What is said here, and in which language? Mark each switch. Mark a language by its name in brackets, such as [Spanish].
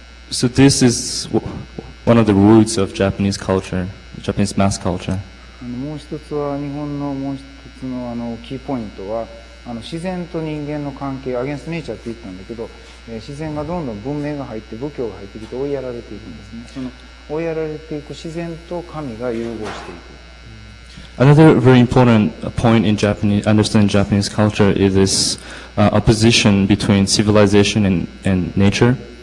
[English] So this is one of the roots of Japanese culture, Japanese mass culture. [Japanese] もう一つは日本のもう一つのあのキーポイントはあの自然と人間の関係アゲンストネイチャーって言ったんだけど、自然がどんどん文明が入って仏教が入ってきて追いやられていくんですね。その追いやられていく自然と神が融合していく。 [English] Another very important point in Japanese, understanding Japanese culture is this opposition between civilization and nature.